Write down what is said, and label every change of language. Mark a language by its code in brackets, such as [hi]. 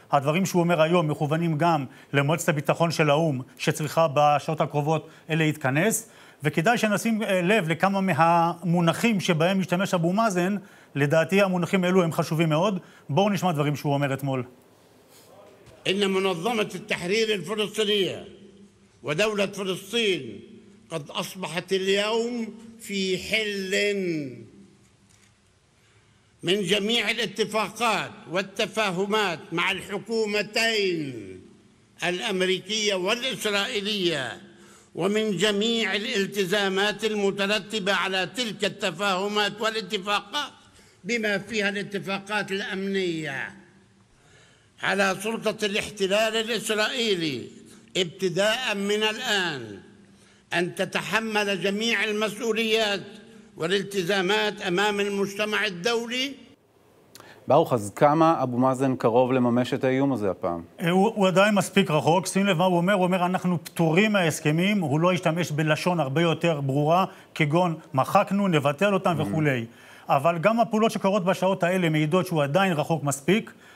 [he] הדברים שהוא אומר היום מכוונים גם למועצת הביטחון של האום, שצריכה בשעות הקרובות להתכנס. וכדאי שנשים לב לכמה מהמונחים שבהם משתמש אבו מאזן, לדעתי המונחים אלו הם חשובים מאוד. בואו נשמע דברים שהוא אומר אתמול. [ar] إن منظمة التحرير الفلسطينية ودولة فلسطين قد أصبحت اليوم في حل من جميع الاتفاقات والتفاهمات مع الحكومتين الأمريكية والإسرائيلية ومن جميع الالتزامات المترتبة على تلك التفاهمات والاتفاقات بما فيها الاتفاقات الأمنية على سلطة الاحتلال الإسرائيلي ابتداء من الآن أن تتحمل جميع المسؤوليات والالتزامات أمام المجتمع الدولي. [he] ברוך, אז כמה אבו מאזן קרוב לממש את האיום הזה הפעם? הוא עדיין מספיק רחוק. שים לב מה הוא אומר. הוא אומר, אנחנו פטורים מההסכמים. הוא לא השתמש בלשון הרבה יותר ברורה, כגון מחקנו, נבטל אותם וכולי. אבל גם הפעולות שקורות בשעות האלה מעידות שהוא עדיין רחוק מספיק.